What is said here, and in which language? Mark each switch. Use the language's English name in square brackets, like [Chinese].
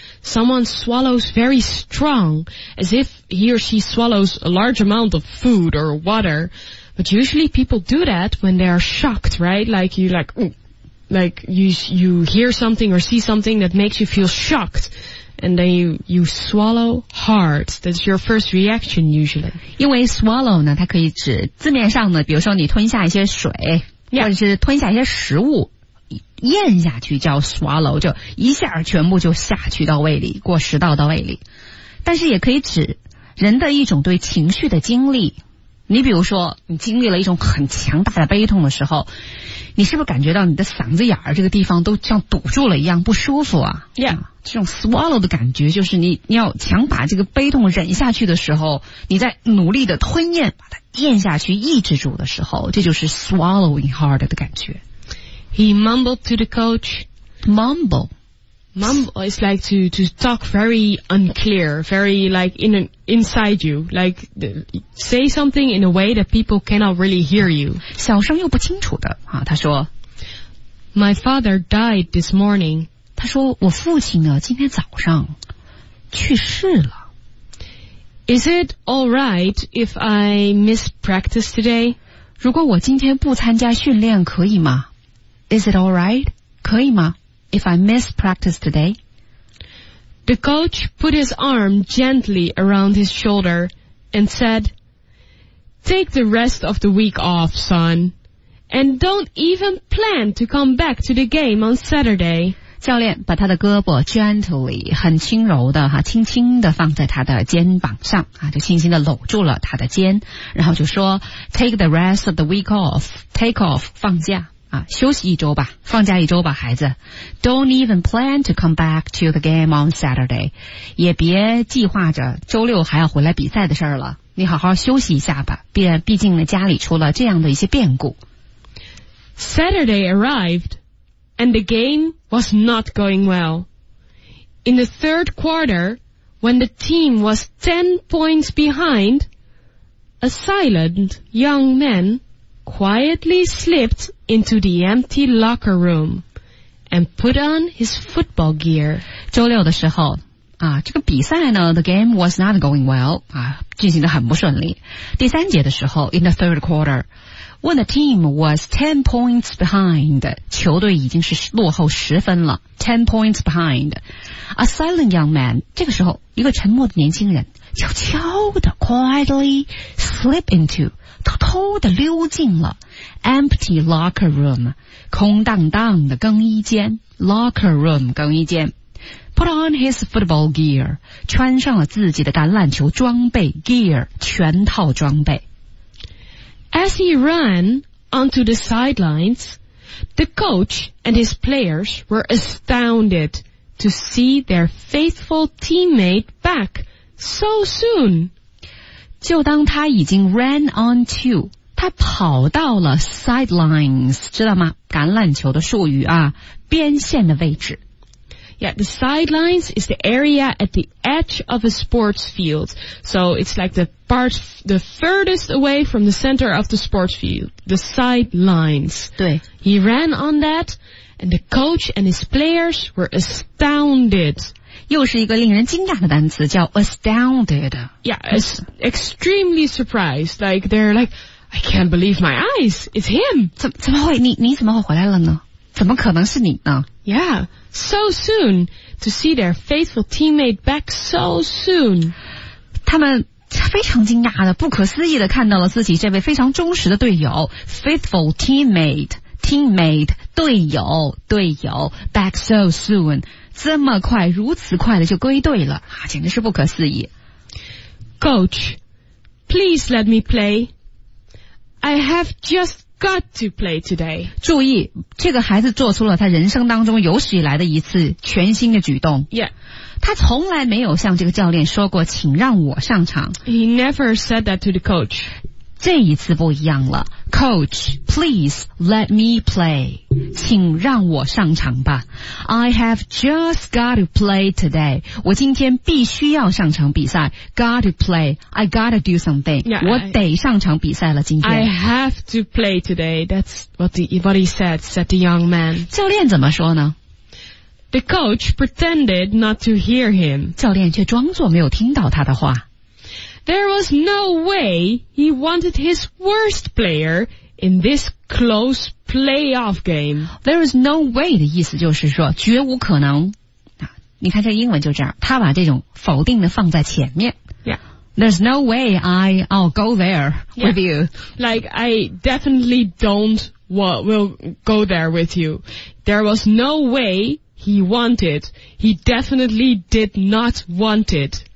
[English] Someone swallows very strong, as if he or she swallows a large amount of food or water. But usually people do that when they are shocked, right? Like you like.、Mm. Like you hear something or see something that makes you feel shocked, and then you swallow hard. That's your first reaction usually. [Chinese] 因为 swallow 呢，它可以指字面上的，比如说你吞下一些水， [English] yeah. [Chinese] 或者是吞下一些食物，咽下去叫 swallow， 就一下全部就下去到胃里，过食道到胃里。但是也可以指人的一种对情绪的经历。你比如说你经历了一种很强大的悲痛的时候，你是不是感觉到你的嗓子眼儿这个地方都像堵住了一样不舒服啊？ [English] Yeah. [Chinese] 这种 swallow 的感觉就是你要强把这个悲痛忍下去的时候，你在努力的吞咽把它咽下去抑制住的时候，这就是 swallowing hard 的感觉。 [English] He mumbled to the coach. Mumble is like to talk very unclear, very like inside you, like say something in a way that people cannot really hear you. [Chinese] 小声又不清楚的啊，他说 [English] My father died this morning. [Chinese] 他说我父亲呢今天早上去世了。 [English] Is it all right if I miss practice today? [Chinese] 如果我今天不参加训练可以吗？ [English] Is it all right? [Chinese] 可以吗？ [English] If I miss practice today, the coach put his arm gently around his shoulder and said, "Take the rest of the week off, son, and don't even plan to come back to the game on Saturday." [Chinese] 教练把他的胳膊 gently 很轻柔的哈，轻轻的放在他的肩膀上啊，就轻轻的搂住了他的肩，然后就说 [English] "Take the rest of the week off. [Chinese] Take off 放假。啊，休息一周吧，放假一周吧，孩子。 [English] Don't even plan to come back to the game on Saturday， [Chinese] 也别计划着周六还要回来比赛的事儿了。你好好休息一下吧，毕竟呢，家里出了这样的一些变故。 [English] Saturday arrived, and the game was not going well. In the third quarter, when the team was 10 points behind, a silent young man. Quietly slipped into the empty locker room and put on his football gear. [Chinese] 周六的时候啊，这个比赛呢 ， [English] the game was not going well [Chinese] 啊，进行得很不顺利。第三节的时候 [English] ，in the third quarter, when the team was 10 points behind, [Chinese] 球队已经是落后十分了 [English] ，10 points behind. A silent young man, [Chinese] 这个时候一个沉默的年轻人，悄悄的 [English] quietly slip into. [Chinese] 偷偷地溜进了 empty locker room 空荡荡的更衣间 locker room 更衣间 [English] put on his football gear [Chinese] 穿上了自己的橄榄球装备 gear 全套装备 [English] As he ran onto the sidelines, the coach and his players were astounded to see their faithful teammate back so soon. [Chinese] 就当他已经 ran onto, 他跑到了 sidelines, 知道吗？橄榄球的术语啊，边线的位置。 [English] Yeah, the sidelines is the area at the edge of a sports field. So it's like the furthest away from the center of the sports field. The sidelines. [Chinese] 对。 [English] He ran on that, and the coach and his players were astounded. [Chinese] 又是一个令人惊讶的单词，叫 astounded. [English] Yeah, extremely surprised. Like, they're like, I can't believe my eyes. It's him. [Chinese] 怎么会怎么会回来了呢？怎么可能是你呢？ [English] Yeah, so soon to see their faithful teammate back so soon. [Chinese] 他们非常惊讶的、不可思议的看到了自己这位非常忠实的队友 ，faithful teammate 队友 [English] back so soon， [Chinese] 这么快、如此快的就归队了啊，简直是不可思议。 [English] Coach, please let me play. I have just. Got to play today. [Chinese] 注意，这个孩子做出了他人生当中有史以来的一次全新的举动。 [English] Yeah. [Chinese] 他从来没有向这个教练说过请让我上场。 [English] He never said that to the coach. [Chinese] 这一次不一样了。 [English] Coach, please let me play. [Chinese] 请让我上场吧。 [English] I have just got to play today. [Chinese] 我今天必须要上场比赛。 [English] Got to play. I got to do something. Yeah, [Chinese] 我得上场比赛了今天。 [English] I have to play today. That's what he said, the young man. [Chinese] 教练怎么说呢？ [English] The coach pretended not to hear him. [Chinese] 教练却装作没有听到他的话。 [English] There was no way he wanted his worst player in this close playoff game. [Chinese] There was no way 的意思就是说绝无可能。你看这英文就这样，他把这种否定的放在前面。 [English] Yeah. There's no way I'll go there with you. Like, I definitely will go there with you. There was no way he wanted. He definitely did not want it.